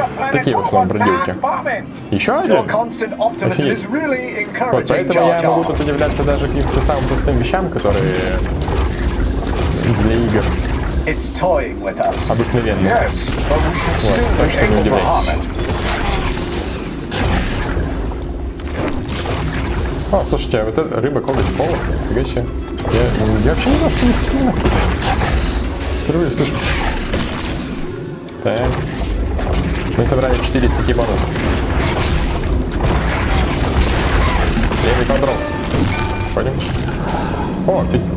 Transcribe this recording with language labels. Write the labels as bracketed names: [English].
[Russian] Такие в основном бродилки. Еще один? [English] Really. [Russian] Вот поэтому я могу тут удивляться даже каким-то самым простым вещам, которые для игр [English] It's toying with us. [Russian] Обыкновенно. [English] Yes, but we should soon be able to harm it. [Russian] А, слушайте, а вот эта рыба коготь пола? Фига себе. Я вообще не знаю, что у них есть мина. Впервые слышу. Так. Мы собрали 4 из 5 бонусов. Левый контрол. Входим.